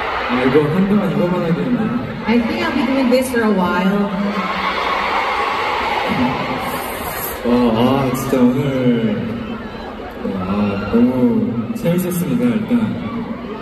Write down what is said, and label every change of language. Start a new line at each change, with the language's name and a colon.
Korean: 아, 이거 한동안 이거만 하겠네.
English: I think I'll be doing this for a while.
Korean: 와, 아, 진짜 오늘 와, 너무 재밌었습니다, 일단.